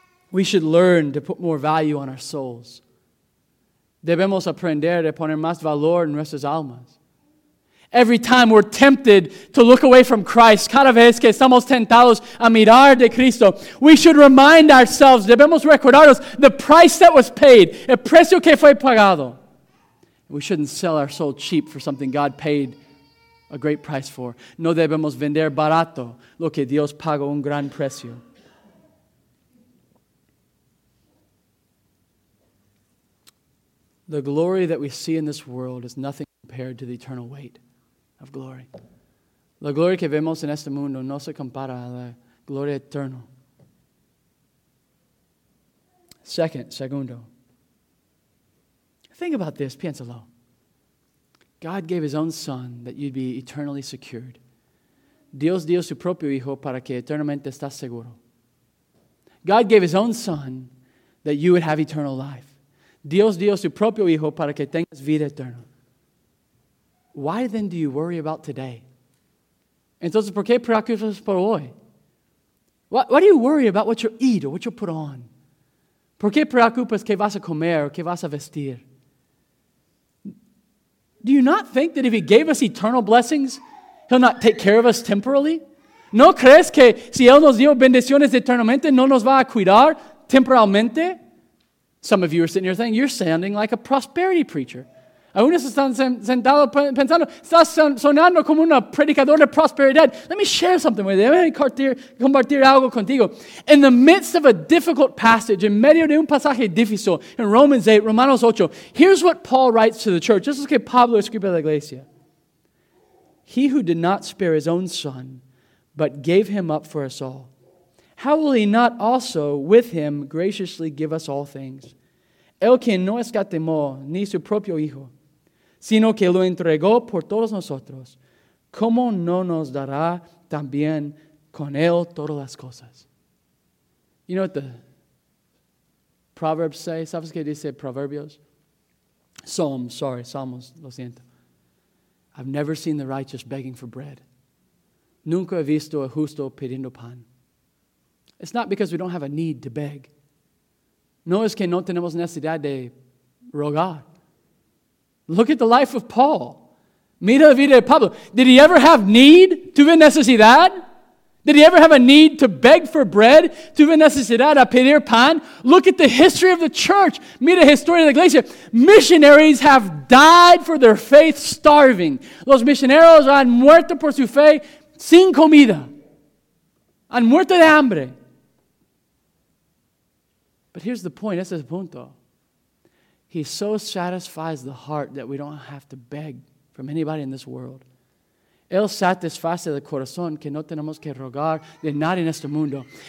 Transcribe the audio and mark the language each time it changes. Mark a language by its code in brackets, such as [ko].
[en] We should learn to put more value on our souls. [es] Debemos aprender a poner más valor en nuestras almas. [en] Every time we're tempted to look away from Christ, [es] cada vez que estamos tentados a mirar de Cristo, [en] we should remind ourselves, [es] debemos recordarnos, [en] the price that was paid, [es] el precio que fue pagado. [en] We shouldn't sell our soul cheap for something God paid a great price for. [es] No debemos vender barato lo que Dios pagó un gran precio. [en] The glory that we see in this world is nothing compared to the eternal weight of glory. [es] La gloria que vemos en este mundo no se compara a la gloria eterna. Segundo. [en] Think about this, [es] piénsalo. [en] God gave his own son that you'd be eternally secured. [es] Dios dio su propio hijo para que eternamente estás seguro. [en] God gave his own son that you would have eternal life. [es] Dios dio su propio hijo para que tengas vida eterna. [en] Why then do you worry about today? [es] Entonces, ¿por qué preocupas por hoy? [en] Why do you worry about what you eat or what you put on? [es] ¿Por qué preocupas qué vas a comer o qué vas a vestir? [en] Do you not think that if he gave us eternal blessings, he'll not take care of us temporally? [es] ¿No crees que si él nos dio bendiciones eternamente, no nos va a cuidar temporalmente? [en] Some of you are sitting here saying, you're sounding like a prosperity preacher. [es] Algunos están sentados pensando, estás sonando como un predicador de prosperidad. [en] Let me share something with you. Let me [es] compartir algo contigo. [en] In the midst of a difficult passage, [es] en medio de un pasaje difícil, [en] in Romans 8, Romanos 8, here's what Paul writes to the church. This is what [es] Pablo escribe a la iglesia. [en] He who did not spare his own son, but gave him up for us all, how will he not also with him graciously give us all things? [es] El que no escatimó ni su propio hijo, sino que lo entregó por todos nosotros, ¿cómo no nos dará también con él todas las cosas? [en] You know what the Proverbs say? [es] ¿Sabes qué dice Proverbios? Salmos, lo siento. [en] I've never seen the righteous begging for bread. [es] Nunca he visto a justo pidiendo pan. [en] It's not because we don't have a need to beg. [es] No es que no tenemos necesidad de rogar. [en] Look at the life of Paul. [es] Mira la vida de Pablo. [en] Did he ever have need? [es] ¿Tuve necesidad? [en] Did he ever have a need to beg for bread? [es] ¿Tuve necesidad a pedir pan? [en] Look at the history of the church. [es] Mira la historia de la iglesia. [en] Missionaries have died for their faith starving. [es] Los misioneros han muerto por su fe sin comida. Han muerto de hambre. [en] But here's the point, [es] ese es el punto. [en] He so satisfies the heart that we don't have to beg from anybody in this world. [es] Él satisface el corazón que no tenemos que rogar de nadie en este mundo.